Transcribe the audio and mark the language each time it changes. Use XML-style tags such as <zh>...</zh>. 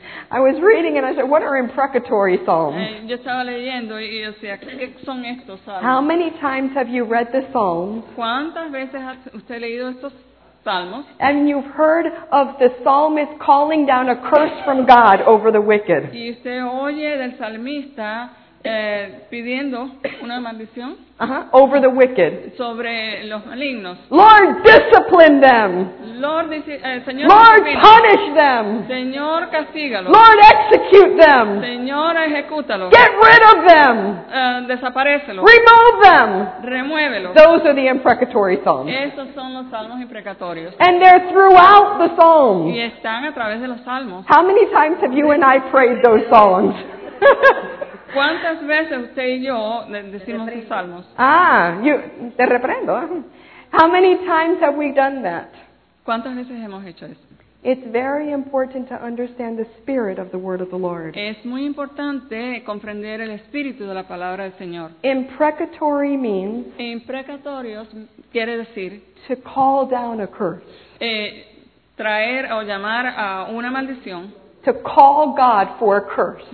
<en>I was reading and I said, what are imprecatory psalms?</en> <es>Yo estaba leyendo y yo decía, ¿qué son estos salmos?</es> <en>How many times have you read the psalms?</en> <es>¿Cuántas veces has usted leído estos salmos?</es> <en>And you've heard of the psalmist calling down a curse from God over the wicked.</en> <es>Y usted oye del salmista pidiendo una maldición.</es> <en>Uh-huh. Over the wicked.</en> <es>Sobre los malignos.</es> <en>Lord, discipline them.</en> <es>Lord, Señor,</es> <en>Lord, punish them.</en> <es>Señor, castígalos.</es> <en>Lord, execute them.</en> <es>Señor, ejecútalos.</es> <en>Get rid of them.</en> <es>Desaparécelos.</es> <en>Remove them.</en> <es>Remuévelos.</es> <en>Those are the imprecatory psalms.</en> <es>Esos son los salmos imprecatorios.</es> <en>And they're throughout the psalms.</en> <es>Y están a través de los salmos.</es> <en>How many times have you and I prayed those songs?</en> <es>¿Cuántas veces usted y yo decimos esos salmos? Te reprendo.</es> <en>How many times have we done that?</en> <es>¿Cuántas veces hemos hecho eso?</es> <en>It's very important to understand the spirit of the word of the Lord.</en> <es>Es muy importante comprender el espíritu de la palabra del Señor.</es> <en>Imprecatory means.</en> <es>Imprecatorios quiere decir.</es> <en>To call down a curse.</en> <es>Traer o llamar a una maldición.</es> <en>To call God for a curse.</en>